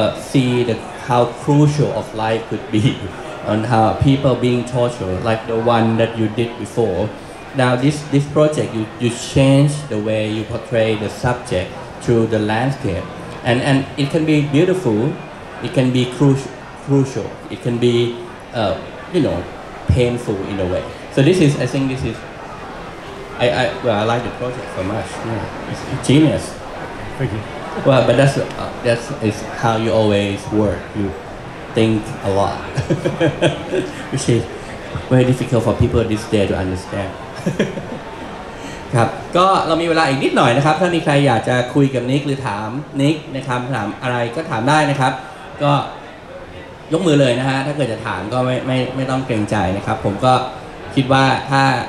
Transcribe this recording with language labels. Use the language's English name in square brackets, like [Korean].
[English] see the how crucial of life could be on how people being tortured like the one that you did before now this project you change the way you portray the subject through the landscape and it can be beautiful it can be crucial it can be you know, painful in a way. So this is, I think this is, I like the project so much. Yeah, it's genius. Thank you. Well, but that's is how you always work. You think a lot, which is very difficult for people this day to understand. [Thai] ครับก็เรามีเวลาอีกนิดหน่อยนะครับถ้ามีใครอยากจะคุยกับนิกหรือถามนิกนะครับถามอะไรก็ถามได้นะครับก็ยกมือเลยนะฮะถ้าเกิดจะถามก็ไม่ต้องเกรงใจนะครับผมก็คิดว่าถ้า